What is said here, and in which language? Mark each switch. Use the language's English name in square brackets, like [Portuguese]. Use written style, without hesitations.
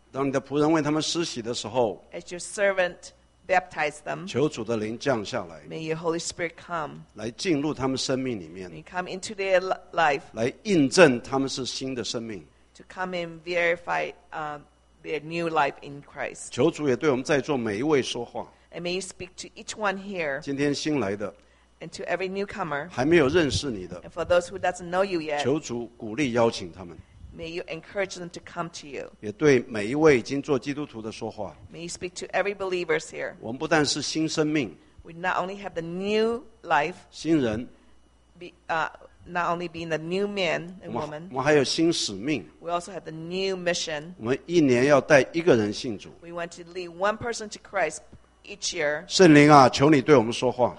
[Chinese] 当你的仆人为他们施洗的时候 [English] as your servant baptized them, [Chinese] 求主的灵降下来 [English] May your Holy Spirit come, [Chinese] 来进入他们生命里面 [English] May come into their life, [Chinese] 来印证他们是新的生命 [English] To come and verify their new life in Christ. [Chinese] 求主也对我们在座每一位说话。 [English] And may you speak to each one here. [Chinese] 今天新来的。 [English] And to every newcomer. [Chinese] 还没有认识你的。 [English] And for those who doesn't know you yet. [Chinese] 求主鼓励邀请他们。 [English] May you encourage them to come to you. [Chinese] 也对每一位已经做基督徒的说话。 [English] May you speak to every believers here. [Chinese] 我们不但是新生命。 [English] We not only have the new life. [Chinese] 新人。 [English] Not only being the new man and woman, [Chinese] 我们还有新使命。 [English] We also have the new mission. [Chinese] 我们一年要带一个人信主。 [English] We want to lead one person to Christ each year. [Chinese] 圣灵啊，求你对我们说话。